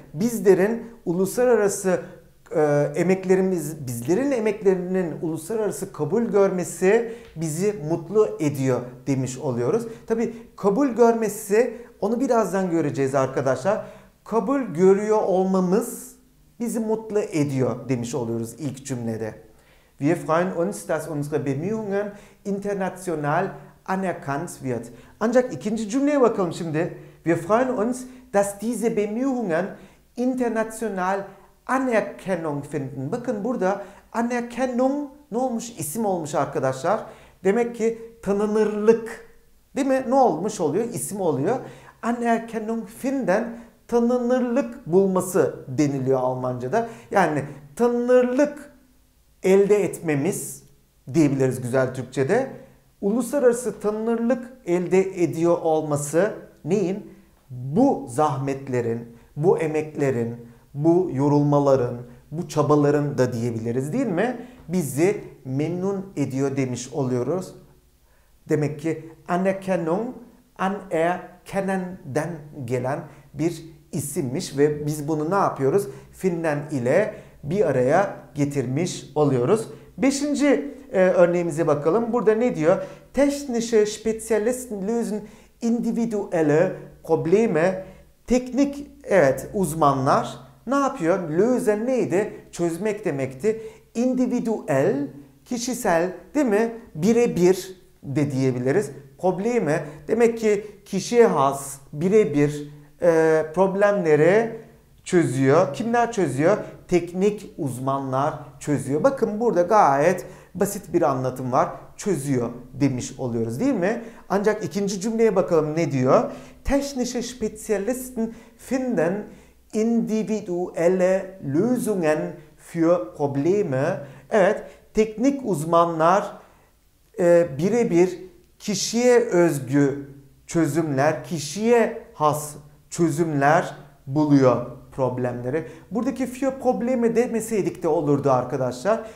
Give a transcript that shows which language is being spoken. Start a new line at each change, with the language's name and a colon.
Turkish: Bizlerin uluslararası emeklerimiz, bizlerin emeklerinin uluslararası kabul görmesi bizi mutlu ediyor demiş oluyoruz. Tabii kabul görmesi, onu birazdan göreceğiz arkadaşlar. Kabul görüyor olmamız bizi mutlu ediyor demiş oluyoruz ilk cümlede.
German: Wir freuen uns, dass unsere Bemühungen international anerkannt wird.
Turkish: Ancak ikinci cümleye bakalım şimdi.
German: Wir freuen uns, dass diese Bemühungen international Anerkennung finden.
Turkish: Bakın burada Anerkennung ne olmuş? İsim olmuş arkadaşlar. Demek ki tanınırlık. Değil mi? Ne olmuş oluyor? İsim oluyor.
German: Anerkennung finden
Turkish: tanınırlık bulması deniliyor Almanca'da. Yani tanınırlık elde etmemiz diyebiliriz güzel Türkçe'de. Uluslararası tanınırlık elde ediyor olması neyin? Bu zahmetlerin, bu emeklerin, bu yorulmaların, bu çabaların da diyebiliriz değil mi? Bizi memnun ediyor demiş oluyoruz. Demek ki Anerkennung, Anerkennen'den gelen bir isimmiş ve biz bunu ne yapıyoruz?
German: Finden
Turkish: ile bir araya getirmiş oluyoruz. Beşinci örneğimize bakalım. Burada ne diyor?
German: Technische Spezialisten lösen individuelle Probleme.
Turkish: Teknik, evet, uzmanlar ne yapıyor? Lösen neydi? Çözmek demekti. Individuel, kişisel değil mi? Birebir de diyebiliriz. Probleme, demek ki kişiye has, birebir problemleri çözüyor. Kimler çözüyor? Teknik uzmanlar çözüyor. Bakın burada gayet basit bir anlatım var. Çözüyor demiş oluyoruz değil mi? Ancak ikinci cümleye bakalım ne diyor?
German: Technische Spezialisten finden individuelle Lösungen für Probleme.
Turkish: Evet, teknik uzmanlar birebir kişiye özgü çözümler, kişiye has çözümler buluyor problemleri. Buradaki für Probleme demeseydik de olurdu arkadaşlar.